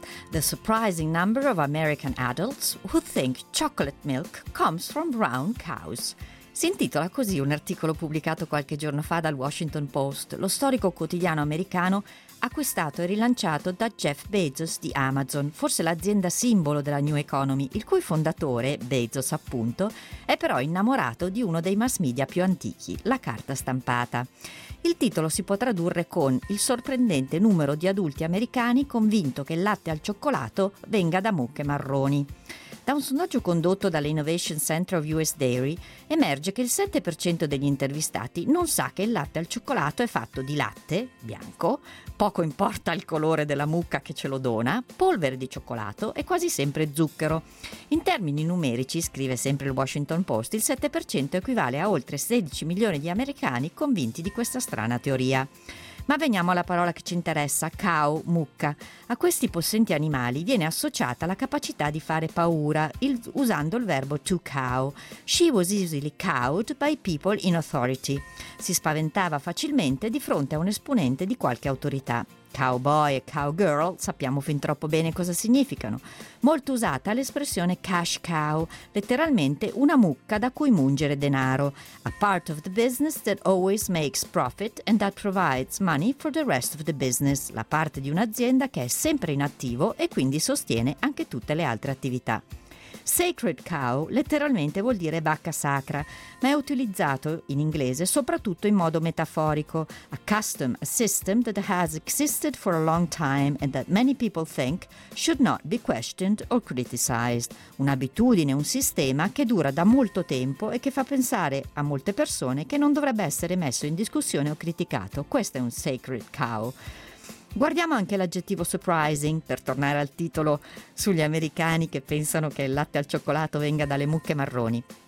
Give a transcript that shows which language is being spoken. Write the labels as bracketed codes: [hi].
[en] The surprising number of American adults who think chocolate milk comes from brown cows. [it] Si intitola così un articolo pubblicato qualche giorno fa dal Washington Post, lo storico quotidiano americano acquistato e rilanciato da Jeff Bezos di Amazon, forse l'azienda simbolo della New Economy, il cui fondatore, Bezos appunto, è però innamorato di uno dei mass media più antichi, la carta stampata. Il titolo si può tradurre con il sorprendente numero di adulti americani convinto che il latte al cioccolato venga da mucche marroni. Da un sondaggio condotto dall'Innovation Center of US Dairy emerge che il 7% degli intervistati non sa che il latte al cioccolato è fatto di latte bianco, poco importa il colore della mucca che ce lo dona, polvere di cioccolato e quasi sempre zucchero. In termini numerici, scrive sempre il Washington Post, il 7% equivale a oltre 16 milioni di americani convinti di questa strana teoria. Ma veniamo alla parola che ci interessa, cow, mucca. A questi possenti animali viene associata la capacità di fare paura, usando il verbo to cow. [en] She was easily cowed by people in authority. [it] Si spaventava facilmente di fronte a un esponente di qualche autorità. Cowboy e cowgirl sappiamo fin troppo bene cosa significano. Molto usata l'espressione cash cow, letteralmente una mucca da cui mungere denaro. [en] A part of the business that always makes profit and that provides money for the rest of the business. [it] La parte di un'azienda che è sempre in attivo e quindi sostiene anche tutte le altre attività. Sacred cow letteralmente vuol dire vacca sacra, ma è utilizzato in inglese soprattutto in modo metaforico. [en] A custom, a system that has existed for a long time and that many people think should not be questioned or criticized. [it] Un'abitudine, un sistema che dura da molto tempo e che fa pensare a molte persone che non dovrebbe essere messo in discussione o criticato. Questo è un sacred cow. Guardiamo anche l'aggettivo surprising, per tornare al titolo sugli americani che pensano che il latte al cioccolato venga dalle mucche marroni.